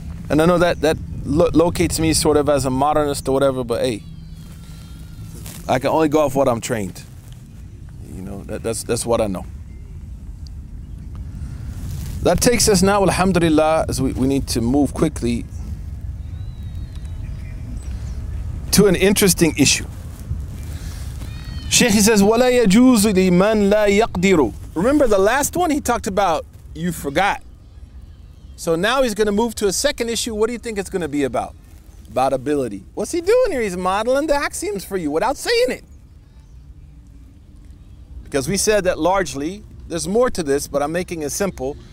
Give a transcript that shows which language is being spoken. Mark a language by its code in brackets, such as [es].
[en] And I know that locates me sort of as a modernist or whatever, but hey, I can only go off what I'm trained. You know, that's what I know. That takes us now, alhamdulillah, as we need to move quickly to an interesting issue. Sheikh, he says, [ar] وَلَا يَجُوزُ لِمَنْ لَا يَقْدِرُ. [en] Remember the last one he talked about, you forgot. So now he's going to move to a second issue. What do you think it's going to be about? About ability. What's he doing here? He's modeling the axioms for you without saying it. Because we said that largely, there's more to this, but I'm making it simple.